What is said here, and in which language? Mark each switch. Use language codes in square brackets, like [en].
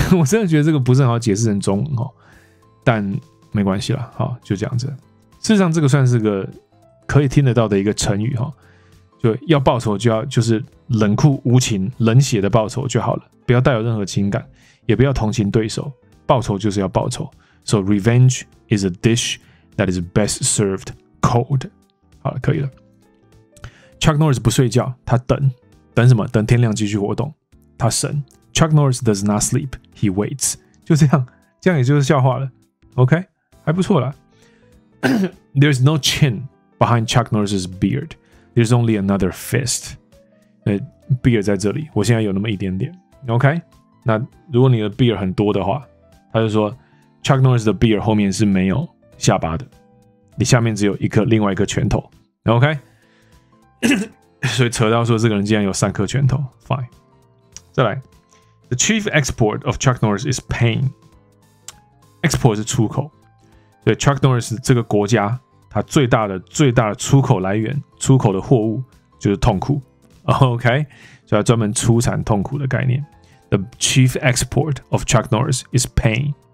[zh] 我真的觉得这个不是很好解释成中文，但没关系啦，好，就这样子。事实上这个算是个可以听得到的一个成语，就要报仇就要就是冷酷无情冷血的报仇就好了，不要带有任何情感，也不要同情对手，报仇就是要报仇。 [en] So revenge is a dish that is best served cold。 [zh] 好了，可以了。Chuck Norris 不睡觉，他等等什么？等天亮继续活动。他神 [en] Chuck Norris does not sleep, he waits. [zh] 就这样，这样也就是笑话了。 [en] OK， [zh] 还不错啦。 [en] There's no chin behind Chuck Norris's beard. There's only another fist. [zh] Beard 在这里，我现在有那么一点点。 OK， 那如果你的 beard 很多的话，他就说 Chuck Norris 的 beard 后面是没有下巴的，你下面只有一颗另外一个拳头。 OK， 所以扯到说这个人竟然有三颗拳头。 Fine， 再来。 [en] The chief export of Chuck Norris is pain. [zh] Export 是出口，所以 Chuck Norris 这个国家，它最大的出口来源，出口的货物就是痛苦。 OK， 所以它专门出产痛苦的概念。 [en] The chief export of Chuck Norris is pain.